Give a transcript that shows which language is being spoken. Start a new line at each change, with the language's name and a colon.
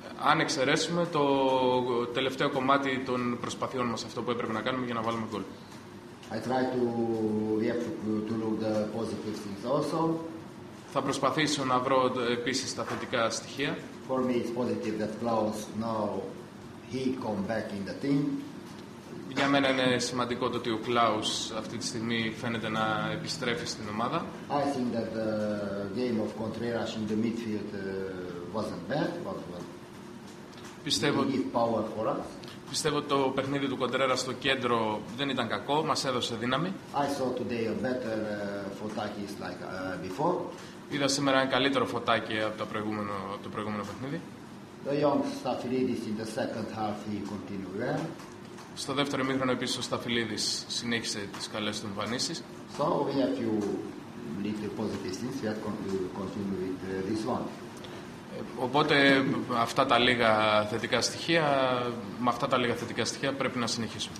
Greek: Αν εξαιρέσουμε το τελευταίο κομμάτι των προσπαθειών μας, αυτό που έπρεπε να κάνουμε για να βάλουμε γκολ.
English: I try to look the positive things also.
Greek: Θα προσπαθήσω να βρω επίσης τα θετικά στοιχεία.
English: For me it's positive that Klaus now he come back in the team.
Greek: Για μένα είναι σημαντικό το ότι ο Klaus αυτή τη στιγμή φαίνεται να επιστρέφει στην ομάδα.
English: I think that the game of Contreras in the midfield wasn't bad, but well.
Greek: Πιστεύω ότι το παιχνίδι του Κοντρέρα στο κέντρο δεν ήταν κακό, μας έδωσε δύναμη.
English: I saw today a better Fotakis like before.
Greek: Είδα σήμερα ένα καλύτερο Φωτάκι από το προηγούμενο παιχνίδι.
English: The young Staffelidis in the second half he continued well.
Greek: Στο δεύτερο ημίχρονο επίσης ο Σταφυλίδης συνέχισε τις καλές του εμφανίσεις.
English: So we have few little positive things. We have continued with this one.
Greek: Οπότε αυτά τα λίγα θετικά στοιχεία, με αυτά τα λίγα θετικά στοιχεία πρέπει να συνεχίσουμε.